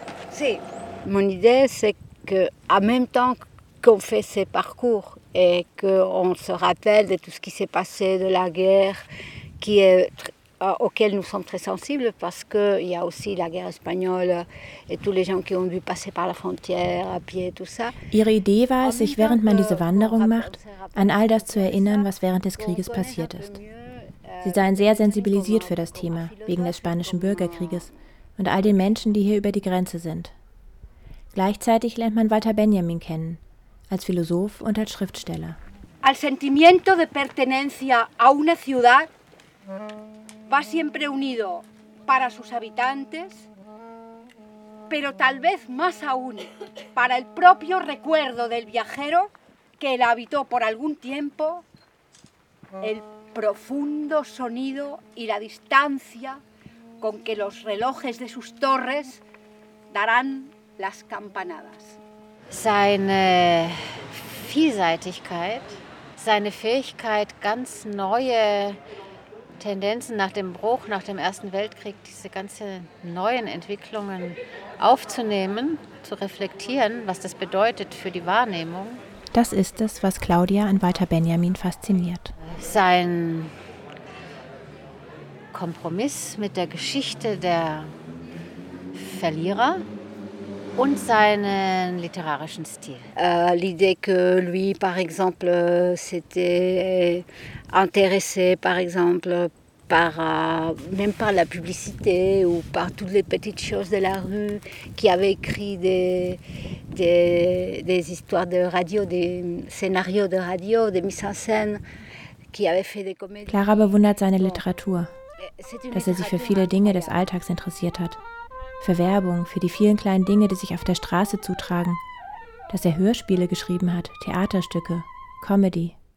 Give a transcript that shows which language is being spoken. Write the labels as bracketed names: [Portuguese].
[French] Sí, mon idée c'est que en même temps qu'on fait ces parcours et que on se rappelle de tout ce qui s'est passé de la guerre qui est auxquels nous sommes très sensibles parce qu'il y a aussi la guerre espagnole et tous les gens qui ont dû passer par la frontière à pied et tout ça. [German] Ihre Idee war es, sich während man diese Wanderung macht, an all das zu erinnern, was während des Krieges passiert ist. Sie seien sehr sensibilisiert für das Thema, wegen des spanischen Bürgerkrieges und all den Menschen, die hier über die Grenze sind. Gleichzeitig lernt man Walter Benjamin kennen, als Philosoph und als Schriftsteller. [Spanish] Al sentimiento de pertenencia a una ciudad va siempre unido para sus habitantes, pero tal vez más aún para el propio recuerdo del viajero que la habitó por algún tiempo, el profundo sonido y la distancia con que los relojes de sus torres darán las campanadas. [German] Seine Vielseitigkeit, seine Fähigkeit, ganz neue Tendenzen nach dem Bruch, nach dem Ersten Weltkrieg, diese ganzen neuen Entwicklungen aufzunehmen, zu reflektieren, was das bedeutet für die Wahrnehmung. Das ist es, was Claudia an Walter Benjamin fasziniert. Sein Kompromiss mit der Geschichte der Verlierer und seinen literarischen Stil. [French] L'idée que lui, par exemple, s'était intéressé, par exemple, par même par la publicité ou par toutes les petites choses de la rue, qui avait écrit des histoires de radio, des scénarios de radio, des mises en scène, qui avait fait des comédies. [German] Clara bewundert seine Literatur, dass er sich für viele Dinge des Alltags interessiert hat. Für Werbung, für die vielen kleinen Dinge, die sich auf der Straße zutragen. Dass er Hörspiele geschrieben hat, Theaterstücke, Comedy.